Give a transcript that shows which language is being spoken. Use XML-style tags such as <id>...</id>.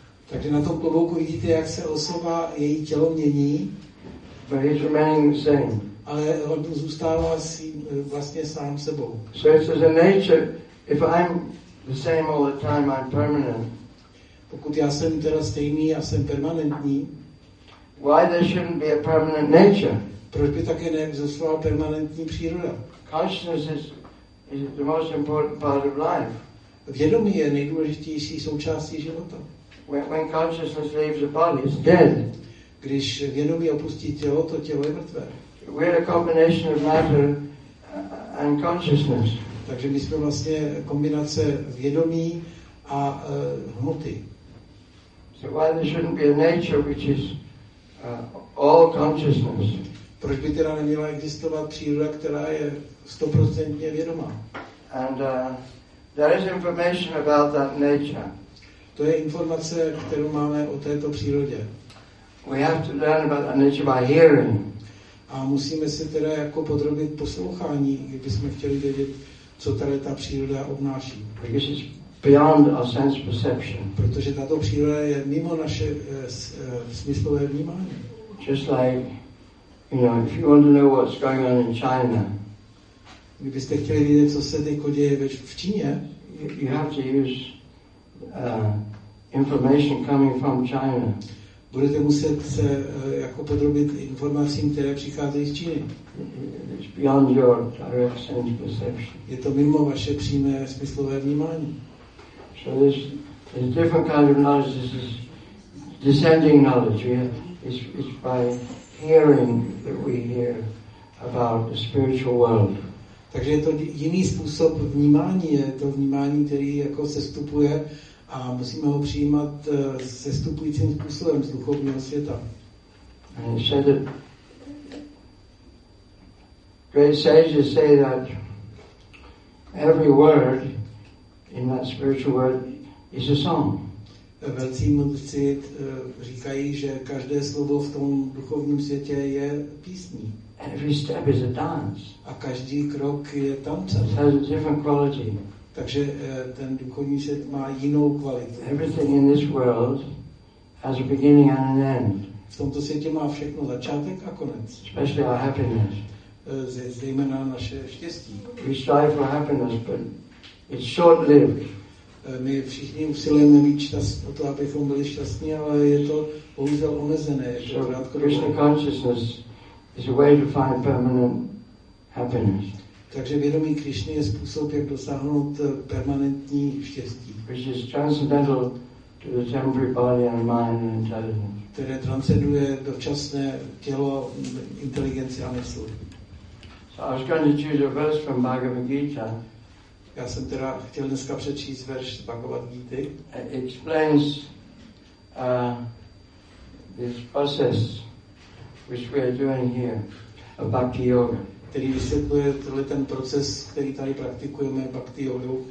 <cs>Takže na tom klobouku vidíte, jak se osoba, její tělo mění.</cs> <en>But he's remaining the same.</en> <cs>Ale on zůstává si vlastně sám sebou.</cs> <en>So it's as a nature, if I'm the same all the time, I'm permanent.</en> <cs>Pokud já jsem teda stejný, já jsem permanentní.</cs> <en>Why there shouldn't be a permanent nature?</en> <cs>Proč by také neexistovala permanentní příroda?</cs> <en>Consciousness is the most important part of life.</en> <cs>Vědomí je nejdůležitější součástí života.</cs> <en>When consciousness leaves the body, it's dead.</en> <cs>Když vědomí opustí tělo, to tělo je mrtvé.</cs> <en>We're a combination of matter and consciousness.</en> <cs>Takže my jsme vlastně kombinace vědomí a hmoty.</cs> <en>So why there shouldn't be a nature which is all consciousness?</en> <cs>Proč by teda neměla existovat příroda, která je 100% vědomá?</cs> <en>And there is information about that nature.</en> <cs>To je informace, kterou máme o této přírodě.</cs> <en>We have to learn about that nature by hearing.</en> <cs>A musíme se teda jako podrobit poslouchání, kdybychom chtěli vědět, co tady ta příroda obnáší.</cs> <en>Because it's beyond our sense perception.</en> <cs>Protože tato příroda je mimo naše smyslové vnímání.</cs> <en>Just like, you know, if you want to know what's going on in China,</en> <cs>kdybyste chtěli vědět, co se teď děje v Číně,</cs> <en>you have to use information coming from China.</en> <cs>Budete muset se jako podrobit informacím, které přicházejí z Číny.</cs> <en>It's beyond your direct sense perception.</en> <cs>Je to mimo vaše přímé smyslové vnímání.</cs> <en>So there's a different kind of knowledge. This is descending knowledge. It's by hearing that we hear about the spiritual world.</en> <cs>Takže je to jiný způsob vnímání. Je to vnímání, který jako sestupuje. A musíme ho přijímat sestupujícím způsobem z duchovního světa.</cs> <en>And he said that great sages say that every word in that spiritual word is a song.</en> <cs>Velcí mudrci říkají, že každé slovo v tom duchovním světě je písní.</cs> <en>Every step is a dance.</en> <cs>A každý krok je tanec.</cs> <en>It has a different quality.</en> <cs>Takže ten duchovní svět má jinou kvalitu.</cs> <en>Everything in this world has a beginning and an end.</en> <cs>V tomto světě má všechno začátek a konec.</cs> <en>Especially our happiness.</en> <cs>Zejména naše štěstí.</cs> <en>We strive for happiness, but it's short-lived.</en> <cs>My všichni usilujeme mít šťast, o to, abychom byli šťastní, ale je to bohužel omezené.</cs> <en>So Krishna consciousness is a way to find permanent happiness.</en> <cs>Takže vědomí Krišny je způsob, jak dosáhnout permanentní štěstí.</cs> <en>Which is transcendental to the temporary body and mind and intelligence.</en> <cs>Které transcenduje dočasné tělo, inteligenci a mysl.</cs> <en>So I was going to choose a verse from Bhagavad Gita.</en> <cs>Já jsem teda chtěl dneska přečíst verš z Bhagavad Gita.</cs> <en>It explains this process which we are doing here of Bhakti Yoga.</en> <cs>Který vysvětluje tohle ten proces, který tady praktikujeme, Bhakti Yoga.</cs>